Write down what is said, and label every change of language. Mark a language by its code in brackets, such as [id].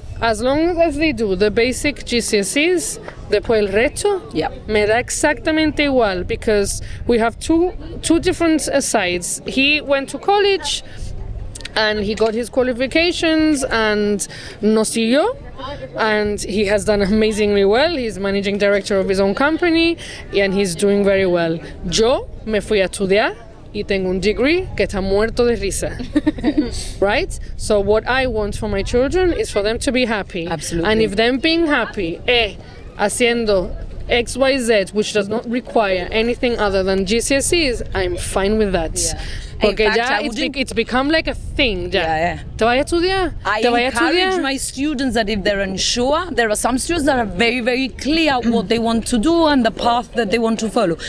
[en] As long as they do the basic GCSEs, [es] después el resto, me da exactamente igual, [en] because we have two different sides. He went to college and he got his qualifications and [es] no siguió, [en] and he has done amazingly well. He's managing director of his own company and he's doing very well. [es] Yo me fui a estudiar y tengo un degree que está muerto de risa. [en] Right? So what I want for my children is for them to be happy. Absolutely. And if them being happy, haciendo XYZ, which does not require anything other than GCSEs, I'm fine with that. Yeah. [es] Porque ya [en] it's become like a thing. Ya. Yeah, yeah. [es] ¿Te vaya a estudiar? [en] I encourage my students that if they're unsure, there are some students that are very, very clear what they want to do and the path that they want to follow.